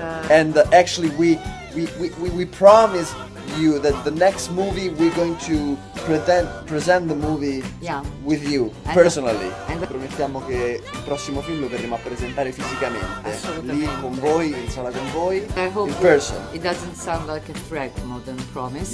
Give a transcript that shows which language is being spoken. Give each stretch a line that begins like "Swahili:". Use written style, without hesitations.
English: And actually we promise you that the next movie we're going to present the movie with you personally.
Italian: Promettiamo che il prossimo film lo verremo a presentare fisicamente lì con voi, in sala con voi,
English: in person. It doesn't sound like a threat, more than promise.